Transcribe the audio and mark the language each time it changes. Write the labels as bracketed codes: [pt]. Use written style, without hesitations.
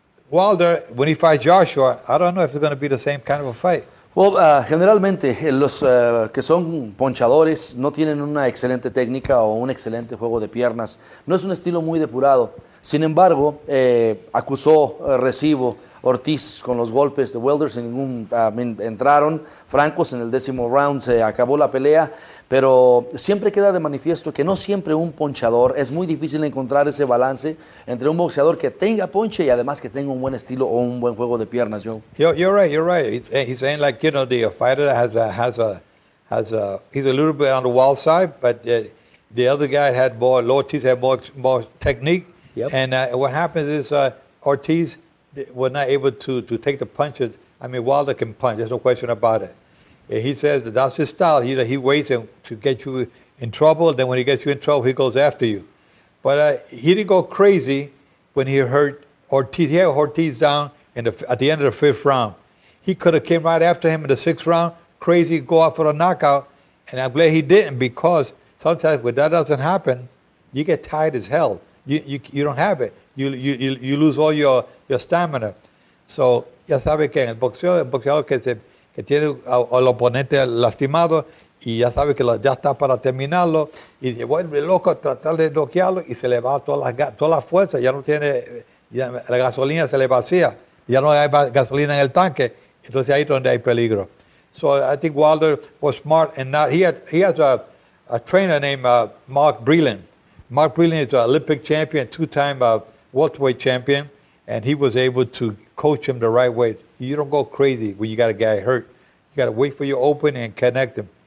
[en] Wilder, when he fights Joshua, I don't know if it's going to be the same kind of a fight. [es] Well, generalmente, los que son ponchadores no tienen una excelente técnica o un excelente juego de piernas. No es un estilo muy depurado. Sin embargo, acusó recibo Ortiz con los golpes de Wilder. Entraron francos en el décimo round, se acabó la pelea. Pero siempre queda de manifiesto que no siempre un ponchador, es muy difícil encontrar ese balance entre un boxeador que tenga ponche y además que tenga un buen estilo o un buen juego de piernas, Joe. [en] You're right. He's saying like, you know, the fighter he's a little bit on the wild side, but the other guy had more, Ortiz had more technique. Yep. And what happens is Ortiz was not able to take the punches. I mean, Wilder can punch, there's no question about it. He says that that's his style. He waits to get you in trouble. Then when he gets you in trouble, he goes after you. But he didn't go crazy when he hurt Ortiz. He had Ortiz down at the end of the fifth round. He could have came right after him in the sixth round, crazy, go out for a knockout. And I'm glad he didn't because sometimes when that doesn't happen, you get tired as hell. You don't have it. you lose all your stamina. [es] So ya sabe que en el boxeador que tiene al oponente lastimado y ya sabe que ya está para terminarlo y se vuelve loco a tratar de noquearlo y se le va toda la fuerza, ya no tiene, ya la gasolina se le vacía, ya no hay gasolina en el tanque, entonces ahí es donde hay peligro. [en] So I think Wilder was smart and not, he has a trainer named Mark Breland. Mark Breland is an Olympic champion, two-time welterweight champion, and he was able to coach him the right way. You don't go crazy when you got a guy hurt. You got to wait for your opening and connect him.